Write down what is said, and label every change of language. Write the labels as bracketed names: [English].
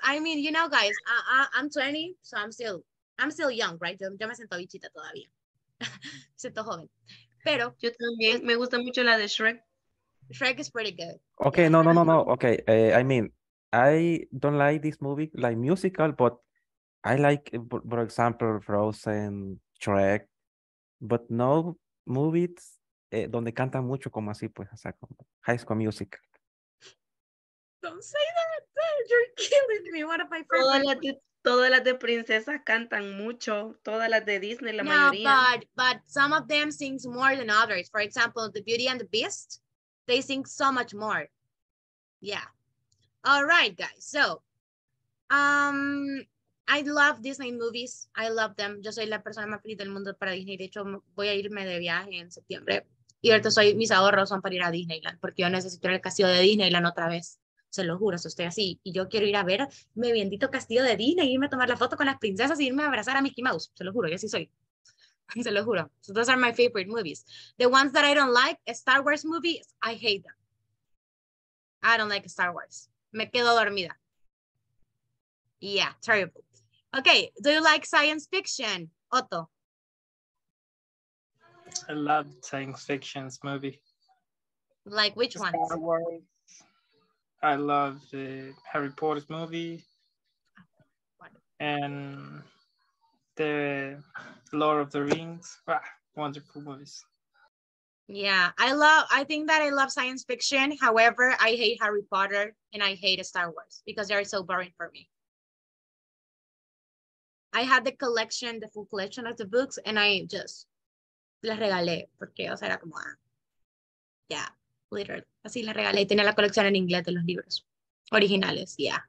[English] I mean, you know, guys, I'm 20, so I'm still young, right? [Spanish] Yo me siento bichita todavía. Siento joven. Pero yo también, me gusta mucho la de Shrek. [English] Shrek is pretty good. Okay, yeah. No. Okay, I mean, I don't like this movie, like musical, but I like, for example, Frozen, Shrek. But no movies [Spanish] donde cantan mucho como así, pues, o sea, como High School Musical. [English] Don't say that, you're killing me. What if I forget? [Spanish] Todas las de princesas cantan mucho, todas las de Disney, la mayoría. [English] No, but some of them sing more than others. For example, The Beauty and the Beast, they sing so much more. Yeah. All right, guys. So, I love Disney movies. I love them. [Spanish] Yo soy la persona más feliz del mundo para Disney. De hecho, voy a irme de viaje en septiembre. Y ahorita mis ahorros son para ir a Disneyland. Porque yo necesito ir al castillo de Disneyland otra vez. Se lo juro, si estoy así. Y yo quiero ir a ver mi bendito castillo de Disney. Irme a tomar la foto con las princesas. Y irme a abrazar a Mickey Mouse. Se lo juro, yo así soy. Se lo juro. [English] So those are my favorite movies. The ones that I don't like, Star Wars movies, I hate them. I don't like Star Wars. [Spanish] Me quedo dormida. [English] Yeah, terrible. Okay, do you like science fiction, Otto? I love science fiction movie. Like which Star ones? Wars. I love the Harry Potter movie. And the Lord of the Rings. Ah, wonderful movies. Yeah, I think that I love science fiction. However, I hate Harry Potter and I hate Star Wars because they are so boring for me. I had the collection, the full collection of the books, and I just [Spanish] les regalé, porque, o sea, era como, [English] yeah, literally. Así les regalé, y tenía la colección en inglés de los libros originales, yeah.